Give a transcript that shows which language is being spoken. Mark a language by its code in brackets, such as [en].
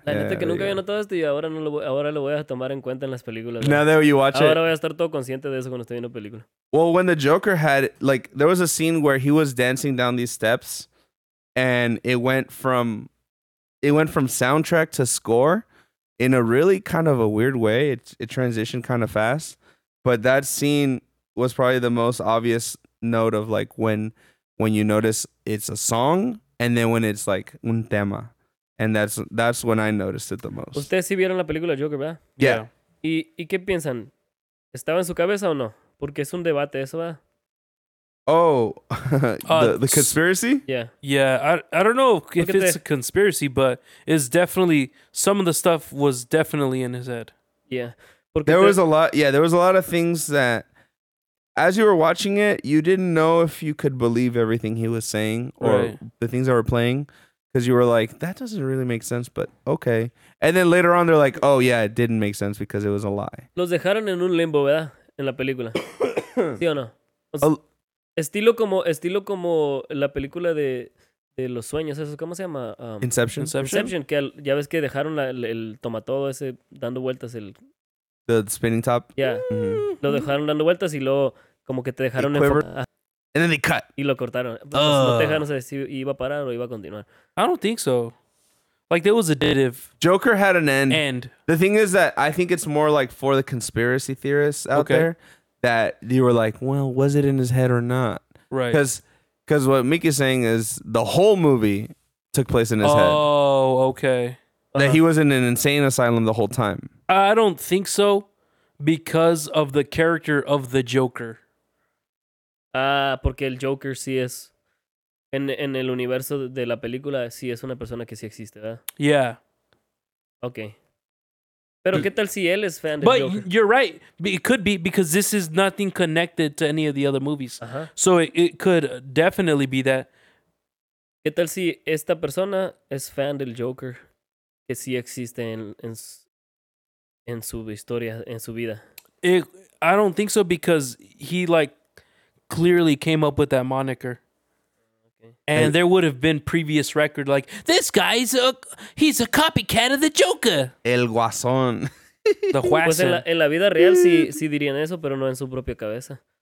[es] La neta que nunca había notado esto y ahora no lo voy, ahora lo voy a tomar en cuenta en las películas. [en] Now that you watch [es] ahora [en] it. [es] Ahora voy a estar todo consciente de eso cuando esté viendo película. [en] Well, when the Joker had like there was a scene where he was dancing down these steps, and it went from soundtrack to score, in a really kind of a weird way. It transitioned kind of fast, but that scene was probably the most obvious note of like when you notice it's a song and then when it's like [es] un tema, [en] and that's when I noticed it the most. [es] Ustedes sí vieron la película Joker, ¿verdad? [en] Yeah. [es] ¿Y qué piensan? ¿Estaba en su cabeza o no? Porque es un debate eso, ¿verdad? [en] Oh, the conspiracy? Yeah. Yeah, I don't know if it's a conspiracy, but it's definitely some of the stuff was definitely in his head. Yeah. Porque there was a lot of things that as you were watching it, you didn't know if you could believe everything he was saying or the things that were playing, because you were like, that doesn't really make sense, but okay. And then later on, they're like, oh yeah, it didn't make sense because it was a lie. [es] Los dejaron en un limbo, ¿verdad? En la película. ¿Sí o no? O sea, estilo como la película de los sueños, ¿eso cómo se llama? [en] Inception. Inception, [es] que ya ves que dejaron el tomatodo ese dando vueltas el... [en] The spinning top. [es] Yeah. Mm-hmm. Lo dejaron dando vueltas y luego como que te dejaron [en] en. And then they cut. [es] Y lo cortaron. No sé si iba a parar o iba a continuar. [en] I don't think so. Like, there was a additive. Joker had an end. And the thing is that I think it's more like for the conspiracy theorists out there that you were like, well, was it in his head or not? Right. Because what Mickey's saying is the whole movie took place in his head. Oh, okay. That he was in an insane asylum the whole time. I don't think so because of the character of the Joker. [es] Porque el Joker sí es... En el universo de la película, sí es una persona que sí existe, ¿verdad? [en] Yeah. Okay. [es] Pero ¿qué tal si él es fan del [en] but Joker? But you're right. It could be because this is nothing connected to any of the other movies. Uh-huh. So it could definitely be that. [es] ¿Qué tal si esta persona es fan del Joker que sí existe en su historia, en su vida? [en] I don't think so because he, like, clearly came up with that moniker. And there would have been previous record like, this guy's he's a copycat of the Joker. [es] El Guasón. [en] The Guasón. [es] Pues en la vida real sí dirían eso, pero no en su propia cabeza.